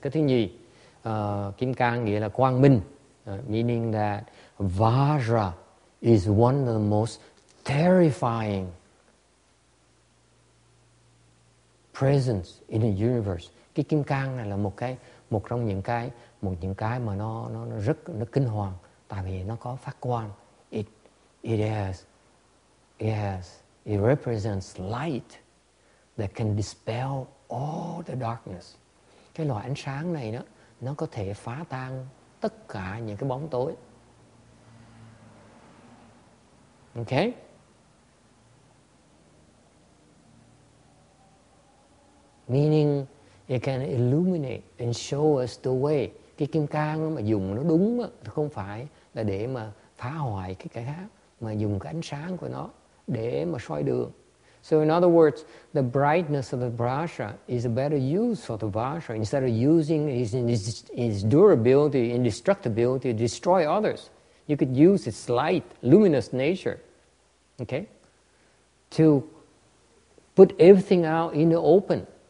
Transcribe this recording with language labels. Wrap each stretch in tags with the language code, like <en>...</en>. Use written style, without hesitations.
<vi>Cái thứ nhì, Kim Cang nghĩa là quang minh.</vi> <en>Meaning that Vajra is one of the most terrifying presence in the universe.</en> <vi>Cái kim cang này là một trong những cái mà nó rất kinh hoàng, tại vì nó có phát quang.</vi> <en>It represents light that can dispel all the darkness.</en> <vi>Cái loại ánh sáng này đó, nó có thể phá tan tất cả những cái bóng tối.</vi> <en>Okay? Meaning it can illuminate and show us the way.</en> <vi>Cái kim cang mà dùng nó đúng đó, không phải là để mà phá hoại cái khác, mà dùng cái ánh sáng của nó để mà soi đường.</vi> <en>So in other words, the brightness of the Vajra is a better use for the Vajra instead of using its durability, indestructibility to destroy others. You could use its light, luminous nature, okay, to put everything out in the open.</en>